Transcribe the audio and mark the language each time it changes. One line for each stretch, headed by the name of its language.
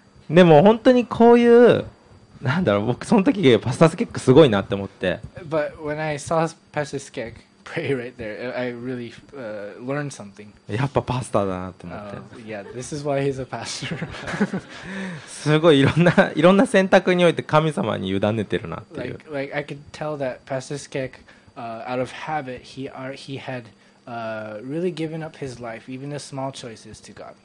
Japanese: でも本当にこういうなんだろう僕その時パスタスケックすごいなって思って。
English: But when I saw Pastor Skek pray right there, I really learned something.
Japanese: やっぱパスタだなって思って。
English: Yeah, this is why he's a pastor.
Japanese: すごいいろんな選択において神様に委ねてるなっていう。
English: Like I could tell that Pastor Skek, out of habit, he had really given up his life, even the small choices to God.